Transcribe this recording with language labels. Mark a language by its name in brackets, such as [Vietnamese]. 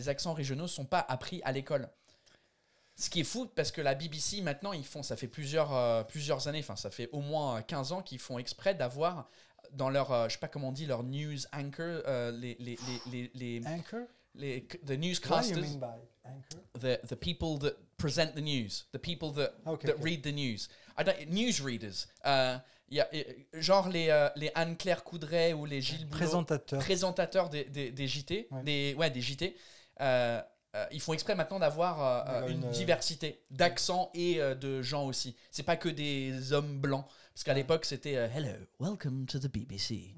[French] Les accents régionaux ne sont pas appris à l'école. Ce qui est fou, parce que la BBC, maintenant, ils font, ça fait plusieurs années, enfin, ça fait au moins 15 ans qu'ils font exprès d'avoir dans leur, je sais pas comment on dit, leur news anchor, les [English] anchor? Les, the newscasters. What do you mean by anchor? The people that present the news, the people that, okay, that okay. read the news. I don't, news readers. [French] Genre les Anne-Claire Coudray ou les Gilles Boulot. Présentateurs des JT. Ouais. Des JT. Ils font exprès maintenant d'avoir une diversité d'accents et de gens aussi. Ce n'est pas que des hommes blancs. Parce qu'à l'époque, c'était « [English] Hello, welcome to the BBC